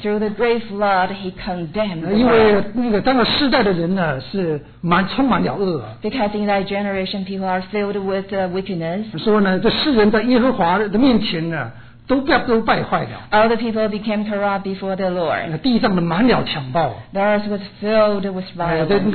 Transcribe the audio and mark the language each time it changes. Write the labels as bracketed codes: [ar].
[en] Through the great flood, he condemned the [zh] 因为那个当时世代的人呢 是满充满了恶 [en] Because in that generation, people are filled with wickedness [zh] 说呢, 这世人在耶和华的面前呢 都败坏了 [en] All the people became corrupt before the Lord [zh] 地上的满了强暴 [en] The earth was filled with violence